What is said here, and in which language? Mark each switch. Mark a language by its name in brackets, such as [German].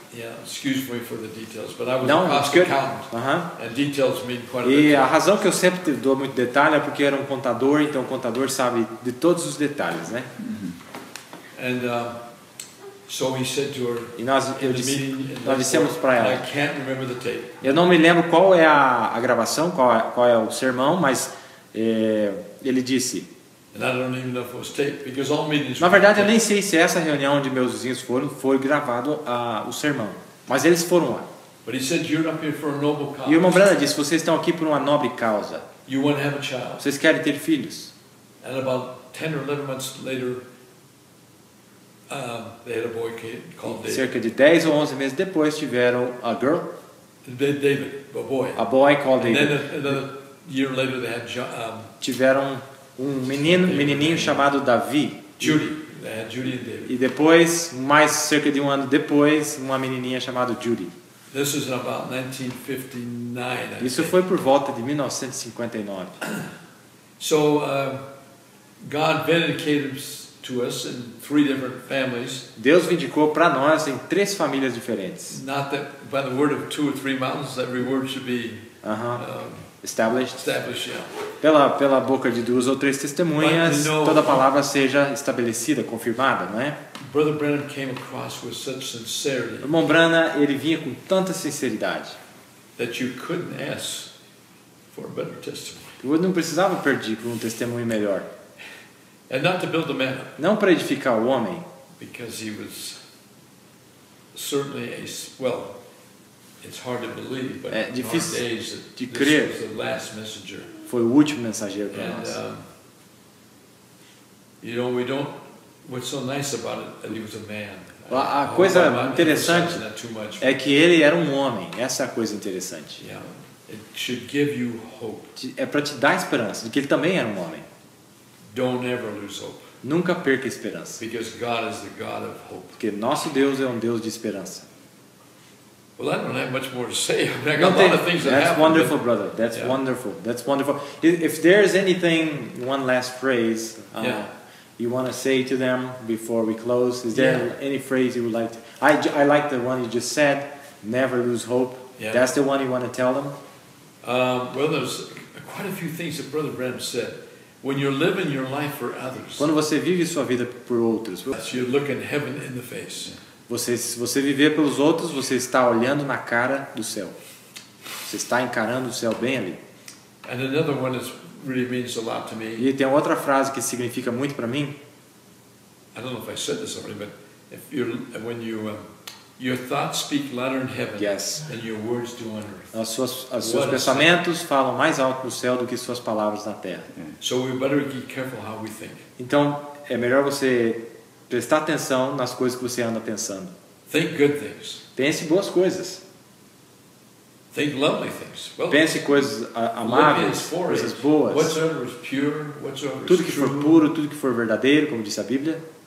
[English] Yeah, excuse me for the details, but I was não, a cost accountant. And details mean quite a bit. [Portuguese] E a razão que eu sempre dou muito detalhe é porque era um contador, então o contador sabe de todos os detalhes, né? [English] Mm-hmm. And so he said to her. [Portuguese] E nós dissemos para ela. [English] I can't remember the tape. [Portuguese] Eu não me lembro qual é a gravação, qual é o sermão, mas ele disse. [English] And I don't even know if it was taped, because all meetings. [Portuguese] Na verdade, eu nem sei se essa reunião onde meus vizinhos foram foi gravado o sermão, mas eles foram lá. [English] But he said you're up here for a noble cause. [Portuguese] E o irmão Branham disse: vocês estão aqui por uma nobre causa. [English] You want to have a child. [Portuguese] Vocês querem ter filhos. [English] And about 10 or 11 months later, they had a boy called David. [Portuguese] Cerca de 10 ou 11 meses depois tiveram [English] a girl. David, a boy. A boy called and David. And then another year later they had [Portuguese] tiveram um menino, menininho chamado Davi. [English] Judy. Judy and David. [Portuguese] E depois, mais cerca de um ano depois, uma menininha chamada Judy. [English] This is about 1959. [Portuguese] Isso foi por volta de 1959. [English] So God vindicated to us in three different families. [Portuguese] Deus vindicou para nós em três famílias diferentes. [English] Not that by the word of two or three mountains every word should be Established, yeah. [Portuguese] Pela boca de duas ou três testemunhas, [English] but, you know, [Portuguese] toda a palavra seja estabelecida, confirmada, não é? [English] Brother Branham came across with such sincerity. [Portuguese] O irmão Branham, ele vinha com tanta sinceridade. [English] That you couldn't ask for a better testimony. [Portuguese] Eu não precisava pedir por um testemunho melhor. [English] And not to build a man. [Portuguese] Não para edificar o homem. [English] Because he was certainly a well. It's hard to believe, but [Portuguese] é difícil [English] days that [Portuguese] de crer. [English] This was the last messenger. [Portuguese] Foi o último mensageiro para nós. [English] You know, we don't. What's so nice about it that he was a man. [Portuguese] A coisa interessante é que ele era um homem. Essa é a coisa interessante. [English] Yeah. It should give you hope. [Portuguese] É para te dar esperança de que ele também era um homem. [English] Don't ever lose hope. [Portuguese] Nunca perca a esperança. [English] Because God is the God of hope. [Portuguese] Porque nosso Deus é um Deus de esperança. [English] Well, I don't have much more to say. I've got a lot of things that happened. That's wonderful, brother. That's wonderful. That's wonderful. If there's anything, one last phrase you want to say to them before we close, is there any phrase you would like to... I like the one you just said, never lose hope. Yeah. That's the one you want to tell them? Well, there's quite a few things that Brother Branham said. When you're living your life for others... [Portuguese] Quando você vive sua vida por outros... [English] You're looking heaven in the face. [Portuguese] Você viver pelos outros, você está olhando na cara do céu. Você está encarando o céu bem ali. [English] And another one is really means a lot to me. [Portuguese] E tem outra frase que significa muito para mim. [English] I don't know if I said this already, but if you're, when you your thoughts speak louder in heaven than your words do on earth. [Portuguese] As seus pensamentos falam mais alto no céu do que suas palavras na terra. [English] So we better be careful how we think. [Portuguese] Então é melhor você prestar atenção nas coisas que você anda pensando. [English] Think good things. [Portuguese] Pense boas coisas. [English] Think lovely things. Well, [Portuguese] pense coisas amáveis, coisas boas. [English] Whatsoever is pure, whatsoever is [Portuguese] tudo que [English] true. [Portuguese] For puro, tudo que for verdadeiro, como diz a Bíblia.